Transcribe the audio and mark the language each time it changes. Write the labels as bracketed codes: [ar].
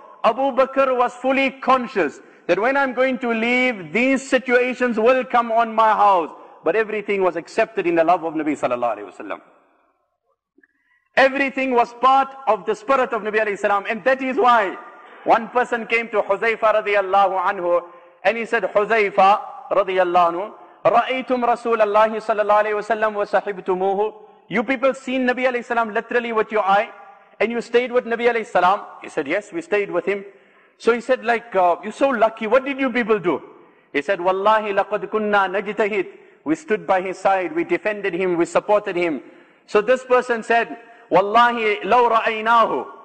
[en] Abu Bakr was fully conscious that when I'm going to leave, these situations will come on my house. But everything was accepted in the love of Nabi sallallahu alayhi wasallam. Everything was part of the spirit of Nabi alayhi salam. And that is why one person came to Huzaifa radiallahu anhu. And he said, [ar] Huzaifa radiallahu anhu, رَأَيْتُمْ رَسُولَ اللَّهِ صَلَى اللَّهِ عَلَيْهِ وَسَلَّمْ وَسَحِبْتُمُوهُ. [en] You people seen Nabi alayhi salam literally with your eye? And you stayed with Nabi alayhi salam? He said, yes, we stayed with him. So he said, you're so lucky. What did you people do? He said, [ar] Wallahi laqad kunna najtahid. [en] We stood by his side. We defended him. We supported him. So this person said, [ar] Wallahi law ra'aynahu.